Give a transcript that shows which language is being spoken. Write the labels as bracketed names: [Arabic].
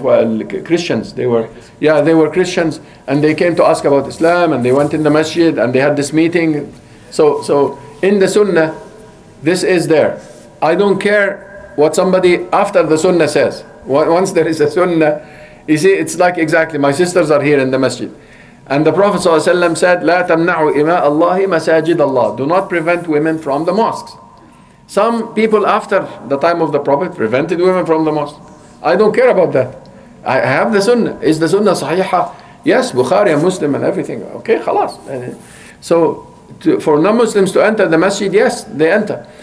[English] Well, Christians. They were Christians, and they came to ask about Islam, and they went in the masjid, and they had this meeting. So in the sunnah, this is there. I don't care what somebody after the sunnah says. Once there is a sunnah, you see, it's like exactly, my sisters are here in the masjid. And the Prophet ﷺ said, [Arabic] لا تمنعوا إماء الله مساجد الله. [English] Do not prevent women from the mosques. Some people after the time of the Prophet prevented women from the mosques. I don't care about that. I have the sunnah. Is the sunnah sahiha? Yes, Bukhari and Muslim and everything. Okay, khalas. So for non-Muslims to enter the masjid, yes, they enter.